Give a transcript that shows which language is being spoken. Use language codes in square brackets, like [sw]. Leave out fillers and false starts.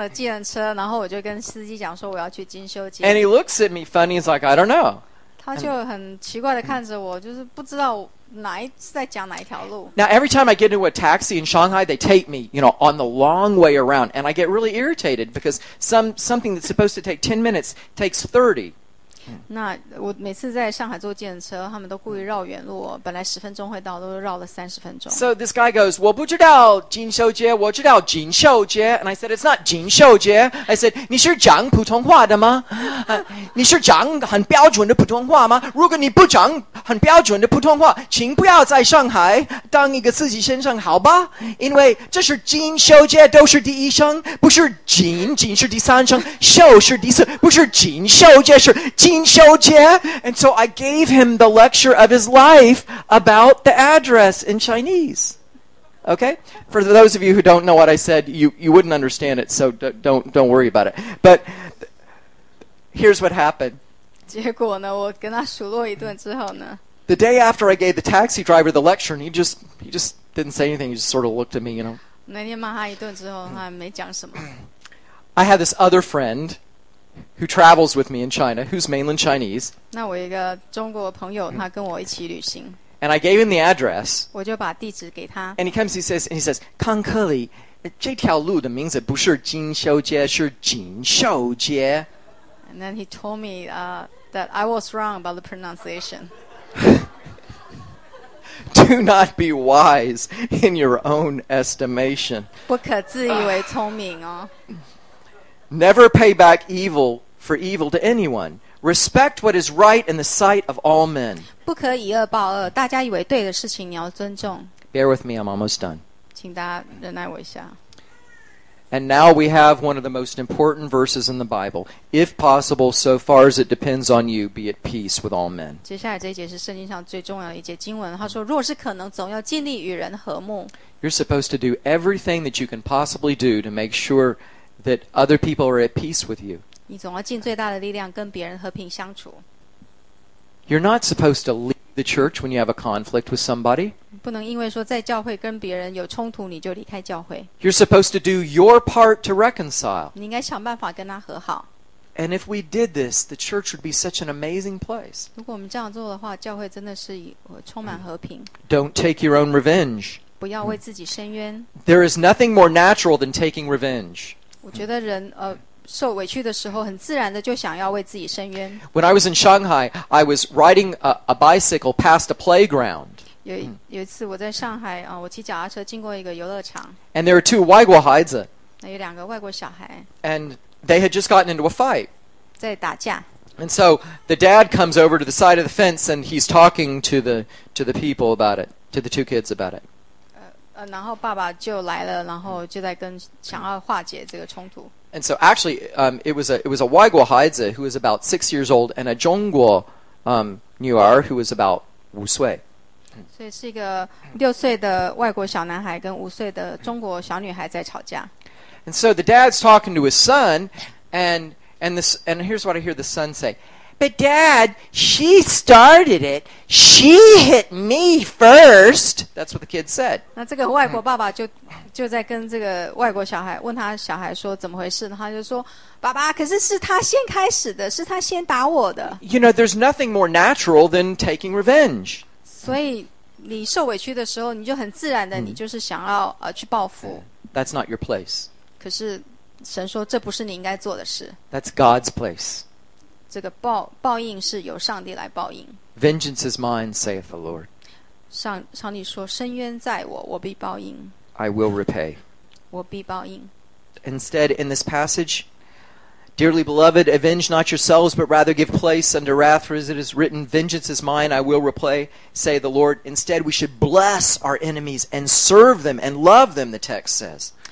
[en] And he looks at me funny, he's like, I don't know. [zh] 他就很奇怪地看着我，就是不知道哪一次在讲哪一条路。 [en] Now every time I get into a taxi in Shanghai, they take me, you know, on the long way around. And I get really irritated because something that's supposed to take 10 minutes takes 30. [zh] 那我每次在上海坐计程车，他们都故意绕远路，本来十分钟会到，都绕了三十分钟。 [en] So this guy goes, [zh] 我不知道金秀街，我知道金秀街。 [en] And I said, it's not 金秀街。I said, [zh] 你是讲普通话的吗？你是讲很标准的普通话吗？如果你不讲很标准的普通话，请不要在上海当一个自习生上好吧？因为这是金秀街，都是第一声，不是金，金是第三声，秀是第四，不是金秀街，是金。 [en] And so I gave him the lecture of his life about the address in Chinese. Okay? For those of you who don't know what I said, you wouldn't understand it, so don't worry about it. But here's what happened. [zh] 结果呢,我跟他数落一顿之后呢? [en] The day after I gave the taxi driver the lecture, and he just didn't say anything, he just sort of looked at me, you know. [zh] 那天骂他一顿之后,他没讲什么。 [en] I had this other friend,who travels with me in China, who's mainland Chinese. [zh] 那我一个中国朋友，他跟我一起旅行。 [en] And I gave him the address. [zh] 我就把地址给他。 [en] And he comes, he says, [zh] Kang Ke Li, 这条路的名字不是金秀街，是锦绣街。 [en] And then he told me that I was wrong about the pronunciation. Do not be wise in your own estimation. [zh] 不可自以为聪明哦。 [en] Never pay back evil for evil to anyone. Respect what is right in the sight of all men. [zh] 不可以恶报恶，大家以为对的事情你要尊重。 [en] Bear with me, I'm almost done. [zh] 请大家忍耐我一下。 [en] And now we have one of the most important verses in the Bible. If possible, so far as it depends on you, be at peace with all men. [zh] 接下来这一节是圣经上最重要的一节经文。他说，若是可能，总要尽力与人和睦。 [en] You're supposed to do everything that you can possibly do to make sure... that other people are at peace with you. [zh] 你总要尽最大的力量跟别人和平相处。 [en] You're not supposed to leave the church when you have a conflict with somebody. [zh] 不能因为说在教会跟别人有冲突你就离开教会。 [en] You're supposed to do your part to reconcile. [zh] 你应该想办法跟他和好。 [en] And if we did this, the church would be such an amazing place. [zh] 如果我们这样做的话，教会真的是充满和平。 [en] Don't take your own revenge. [zh] 不要为自己伸冤。 [en] There is nothing more natural than taking revenge. [zh] 我觉得人受委屈的时候很自然的就想要为自己伸冤。 [en] When I was in Shanghai, I was riding a bicycle past a playground. [zh] 有一次我在上海我骑脚踏车经过一个游乐场。 [en] And there were two [zh] 外国孩子。那有两个外国小孩。 [en] And they had just gotten into a fight. [zh] 在打架。 [en] And so the dad comes over to the side of the fence and he's talking to the people about it, to the two kids about it. [zh] 然后爸爸就来了，然后就在跟想要化解这个冲突。 [en] And so actually, it was a [zh] 外国孩子 [en] who was about 6 years old, and a [zh] 中国女儿 [en] who was about [zh] 五岁。所以是一个六岁的外国小男孩跟五岁的中国小女孩在吵架。 [en] And so the dad's talking to his son, and here's what I hear the son say. But dad, she started it. She hit me first. That's what the kid said. [zh] 那这个外国爸爸就在跟这个外国小孩问他小孩说怎么回事，他就说爸爸，可是是他先开始的，是他先打我的。 [en] You know, there's nothing more natural than taking revenge. [zh] 所以你受委屈的时候，你就很自然的，你就是想要去报复。 [en] That's not your place. [zh] 可是神说这不是你应该做的事。 [en] That's God's place. [zh] 这个报应是由上帝来报应。 [en] Vengeance is mine, saith the Lord. [zh] 上帝说，深渊在我，我必报应。 [en] I will repay. [zh] 我必报应。 [en] Instead, in this passage, dearly beloved, avenge not yourselves, but rather give place unto wrath, for as it is written, vengeance is mine, I will repay, saith the Lord. Instead, we should bless our enemies and serve them and love them, the text says.